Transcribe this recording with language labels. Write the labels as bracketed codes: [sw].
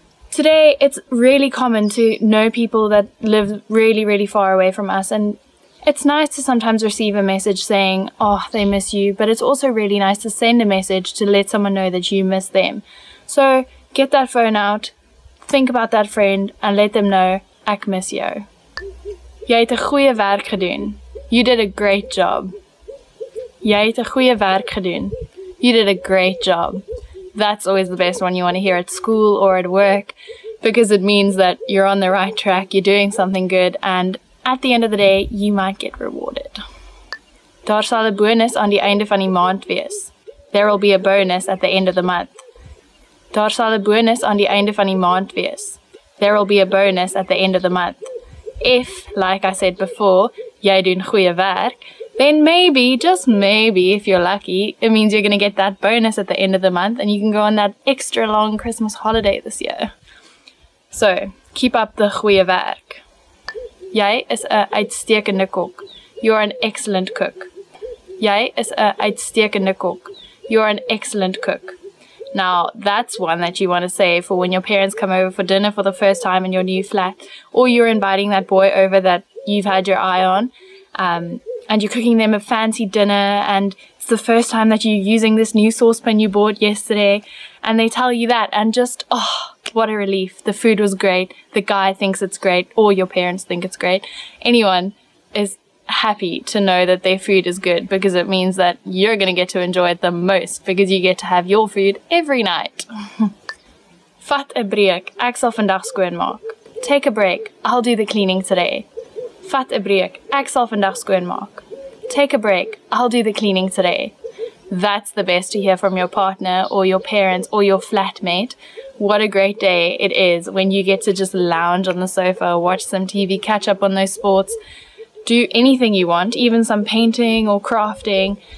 [en] Today, it's really common to know people that live really, really far away from us. And it's nice to sometimes receive a message saying, oh, they miss you. But it's also really nice to send a message to let someone know that you miss them. So get that phone out, think about that friend, and let them know, [af] ek mis jou. Jy het 'n goeie werk gedoen. [en] You did a great job. [af] Jy het 'n goeie werk gedoen. [en] You did a great job. That's always the best one you want to hear at school or at work, because it means that you're on the right track, you're doing something good, and at the end of the day, you might get rewarded. [af] Daar sal 'n bonus aan die einde van die maand wees. [en] There will be a bonus at the end of the month. [af] Daar sal 'n bonus aan die einde van die maand wees. [en] There will be a bonus at the end of the month. If, like I said before, [af] jy doen goeie werk, [en] then maybe, just maybe, if you're lucky, it means you're going to get that bonus at the end of the month and you can go on that extra long Christmas holiday this year. So, keep up the [af] goeie werk. Jy is 'n uitstekende kok. [en] You're an excellent cook. [af] Jy is 'n uitstekende kok. [en] You're an excellent cook. Now, that's one that you want to say for when your parents come over for dinner for the first time in your new flat, or you're inviting that boy over that you've had your eye on, and you're cooking them a fancy dinner, and it's the first time that you're using this new saucepan you bought yesterday, and they tell you that, and just, oh, what a relief. The food was great. The guy thinks it's great, or your parents think it's great. Anyone is happy to know that their food is good, because it means that you're going to get to enjoy it the most, because you get to have your food every night. [af] Vat 'n breek, ek sal vandag skoonmaak. [en] Take a break, I'll do the cleaning today. [af] Vat 'n breek, ek sal vandag skoonmaak. [en] Take a break, I'll do the cleaning today. That's the best to hear from your partner or your parents or your flatmate. What a great day it is when you get to just lounge on the sofa, watch some TV, catch up on those sports. Do anything you want, even some painting or crafting.